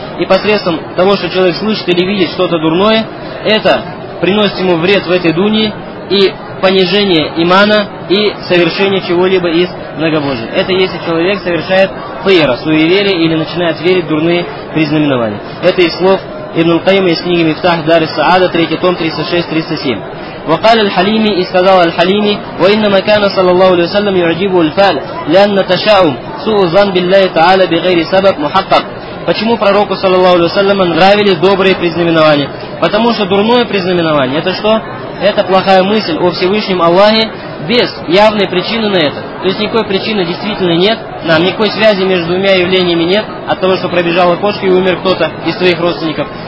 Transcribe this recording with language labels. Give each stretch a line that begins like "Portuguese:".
Russian: И посредством того, что человек слышит или видит что-то дурное, это приносит ему вред в этой дунии и понижение имана и совершение чего-либо из многобожия. Это если человек совершает фейра, суеверие, или начинает верить в дурные признаменования. Это из слов Ибн Каима из книги Мифтах Дар Саада, 3 том, 36-37.
Arabic: وقال الحليمي اسказал الحليمي وإنما كان صلى الله عليه وسلم يعجب الفعل لأن تشاؤم سوء ظن بالله تعالى بغير سبب محقق.
Russian: Почему пророку, саллаллаху алейхи ва саллям, нравились добрые признаменования? Потому что дурное признаменование – это что? Это плохая мысль о Всевышнем Аллахе без явной причины на это. То есть никакой причины действительно нет, нам никакой связи между двумя явлениями нет, от того, что пробежала кошка и умер кто-то из твоих родственников.